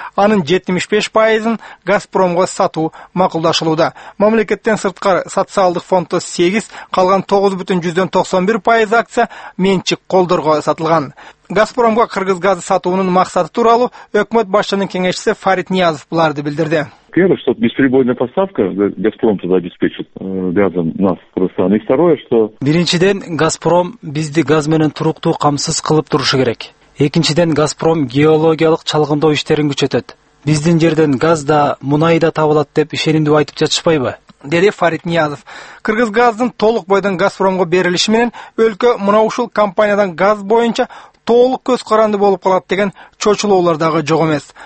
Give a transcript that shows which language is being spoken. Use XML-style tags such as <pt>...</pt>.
<ky>Анын 75%ын Газпромго сатуу макулдашылууда. Мамлекеттен сырткары социалдык фондто 8, калган 9.91% акция менчик колдорго сатылган. Газпромго кыргыз газы сатуунун максаты тууралуу өкмөт башчынын кеңешчиси Фарид Ниязов буларды билдирди.</ky> <ru>Первое, что бесперебойная поставка, Газпром туда обеспечит газом нас, Кыргызстан. И второе, что...</ru> <ky>Биринчиден, Газпром бизди газ менен туруктуу камсыз кылып турушу керек. Экинчиден, Газпром геологиялык чалгындоо иштерин күчөтөт. Биздин жерден газ да, мунай да табылат деп ишенимдүү айтып жатышпайбы? Деди Фарид Ниязов. Кыргыз газдын толук бойдон Газпромго берилиши менен өлкө мына ушул компаниядан газ боюнча толук көз каранды болуп калат деген чочулоолор дагы жок эмес.</ky>